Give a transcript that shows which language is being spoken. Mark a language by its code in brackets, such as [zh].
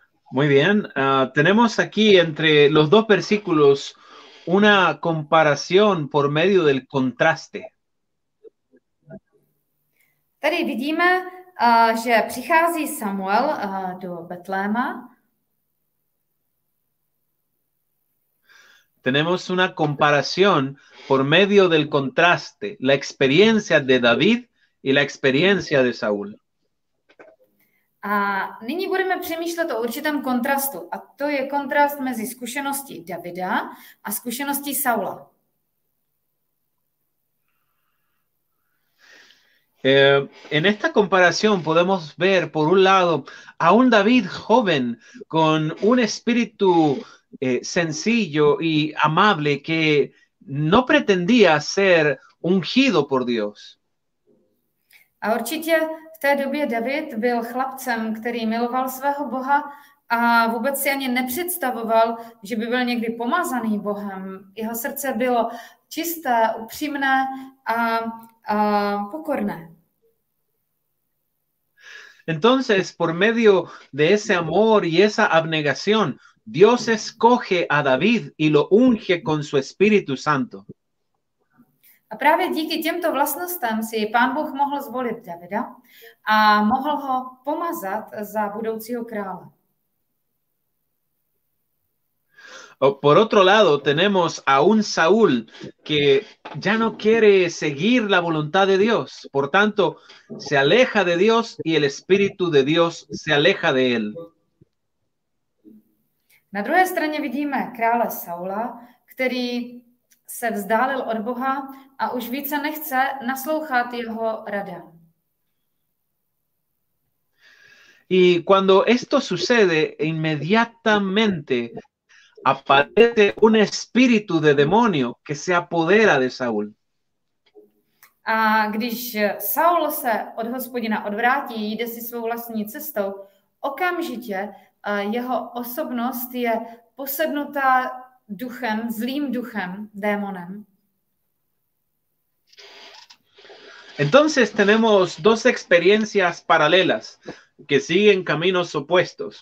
[es] Muy bien, tenemos aquí entre los dos versículos una comparación por medio del contraste. [cs] Tady vidíme, že přichází Samuel do Betléma. [es] Tenemos una comparación por medio del contraste, la experiencia de David y la experiencia de Saúl. [cs] A nyní budeme přemýšlet o určitém kontrastu, a to je kontrast mezi zkušeností Davida a zkušeností Saula. [es] En esta comparación podemos ver, por un lado, a un David joven con un espíritu sencillo y amable que no pretendía ser ungido por Dios. [cs] A určitě v té době David byl chlapcem, který miloval svého Boha a vůbec si ani nepředstavoval, že by byl někdy pomazaný Bohem. Jeho srdce bylo čisté, upřímné a pokorné. [es] Entonces, por medio de ese amor y esa abnegación, Dios escoge a David y lo unge con su Espíritu Santo. [cs] A právě díky těmto vlastnostem si Pán Bůh mohl zvolit Davida a mohl ho pomazat za budoucího krále. [es] Por otro lado, tenemos a un Saúl que ya no quiere seguir la voluntad de Dios. Por tanto, se aleja de Dios y el Espíritu de Dios se aleja de él. [cs] Na druhé straně vidíme krále Saula, který se vzdálil od Boha a už více nechce naslouchat jeho radám. [es] Y cuando esto sucede, inmediatamente aparece un espíritu de demonio que se apodera de Saúl. [cs] A když Saul se od Hospodina odvrátí, jde si svou vlastní cestou, okamžitě jeho osobnost je posednutá duchem, zlým duchem, démonem. [es] Entonces tenemos dos experiencias paralelas que siguen caminos opuestos.